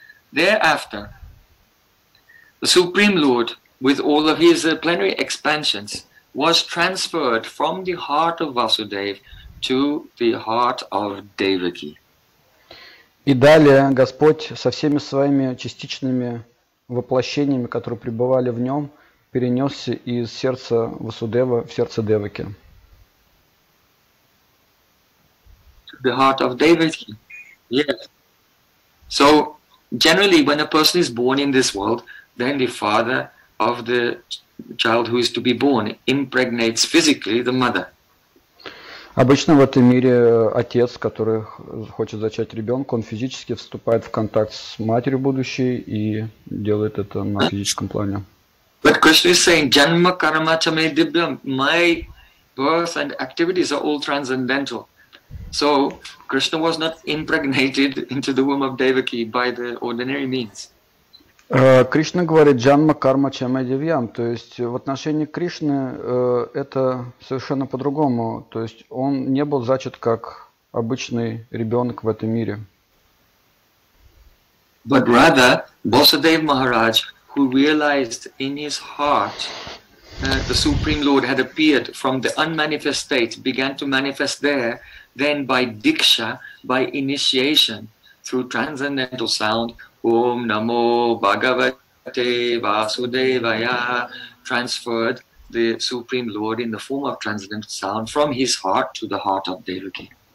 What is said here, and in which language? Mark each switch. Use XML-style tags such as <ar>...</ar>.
<en>Thereafter, the Supreme Lord, with all of his plenary expansions, was transferred from the heart of Vasudev to the heart of Devaki.</en> <ru>И далее Господь со всеми своими частичными воплощениями, которые пребывали в нем, перенесся из сердца Васудева в сердце Деваки.</ru> <en>The heart of Devaki. Yes. So, generally, when a person is born in this world, then the father of the child who is to be born impregnates physically the mother.</en> <ru>Обычно в этом мире отец, который хочет зачать ребенка, он физически вступает в контакт с матерью будущей и делает это на физическом плане.</ru> <en>But Krishna is saying,</en> <sa>"Janma karma cha me dibyam."</sa> <en>My birth and activities are all transcendental. So Krishna was not impregnated into the womb of Devaki by the ordinary means.</en> <ru>Кришна говорит</ru> <sa>«джанма карма чамэ дивьям»,</sa> <ru>то есть в отношении Кришны это совершенно по-другому, то есть он не был зачат как обычный ребенок в этом мире.</ru> <en>But rather, Vasudeva Maharaj, who realized in his heart that the Supreme Lord had appeared from the unmanifest state, began to manifest there, then by diksha, by initiation, through transcendental sound,</en> <sa>Om Namo Bhagavate Vasudevaya,</sa> <en>transferred the Supreme Lord in the form of transcendental sound from his heart to the heart of Devaki.</en>